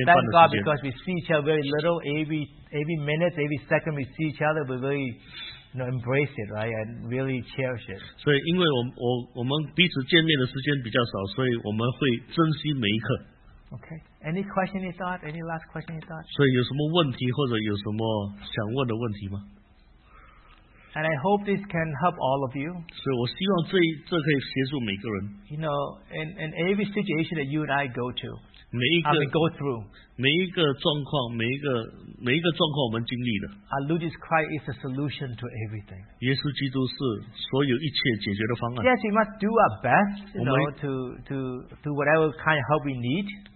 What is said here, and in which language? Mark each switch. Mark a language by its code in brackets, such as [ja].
[en] But thank God, because we see each other very little, every minute, every second we see each other, we really, you know, embrace it, right, and really cherish it. [zh] 所以因为我们彼此见面的时间比较少，所以我们会珍惜每一刻。 [en] Okay. Any question you thought? Any last question you thought? [zh] 所以有什么问题或者有什么想问的问题吗？ [en] And I hope this can help all of you. [zh] 所以我希望这可以协助每个人。 [en] You know, in every situation that you and I go to, we go through. Our Lord Jesus Christ is a solution to everything. [zh] 耶稣基督是所有一切解决的方案。 [en] Yes, we must do our best, you know, to whatever kind of help we need.